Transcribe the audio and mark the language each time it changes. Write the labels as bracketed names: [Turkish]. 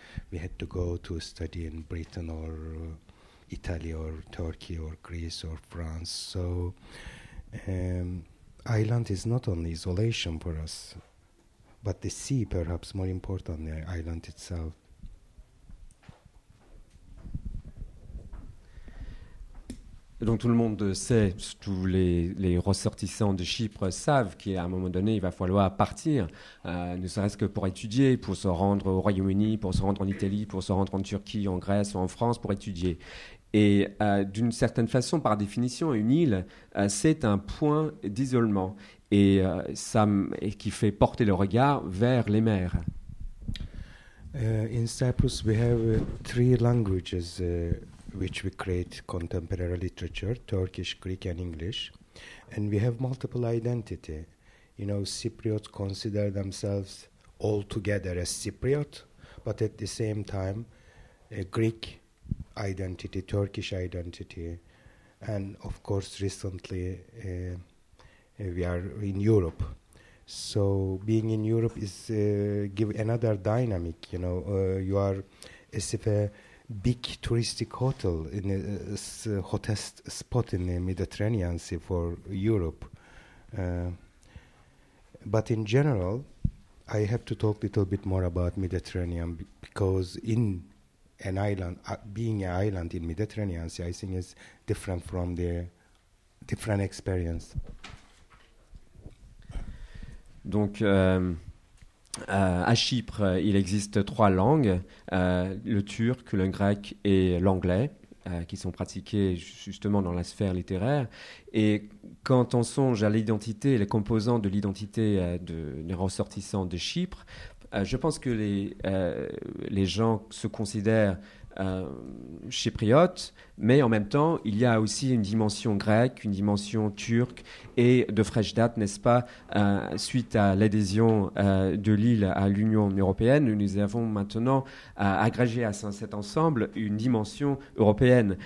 [English] We had to go to study in Britain or Italy or Turkey or Greece or France. So island is not only isolation for us, but the sea, perhaps more important, the island itself. [French] Et donc tout le monde sait, tous les ressortissants de Chypre savent qu'à un moment donné, il va falloir partir, ne serait-ce que pour étudier, pour se rendre au Royaume-Uni, pour se rendre en Italie, pour se rendre en Turquie, en Grèce ou en France pour étudier. Et d'une certaine façon, par définition, une île, c'est un point d'isolement et, qui fait porter le regard vers les mers. [English] In Cyprus, we have three languages. Which we create contemporary literature, Turkish, Greek, and English. And we have multiple identity. You know, Cypriots consider themselves all together as Cypriot, but at the same time, a Greek identity, Turkish identity, and of course, recently, we are in Europe. So being in Europe is give another dynamic, you know. You are as if a big touristic hotel in a hottest spot in the Mediterranean Sea for Europe. But in general, I have to talk a little bit more about Mediterranean because in an island, being an island in Mediterranean Sea, I think is different from the different experience. [French] Donc, à Chypre, il existe trois langues, le turc, le grec et l'anglais, qui sont pratiquées justement dans la sphère littéraire. Et quand on songe à l'identité, les composants de l'identité des ressortissants de Chypre, je pense que les gens se considèrent chypriotes, mais en même temps, il y a aussi une dimension grecque, une dimension turque, et de fraîche date, n'est-ce pas, suite à l'adhésion de l'île à l'Union européenne, nous avons maintenant agrégé à cet ensemble une dimension européenne.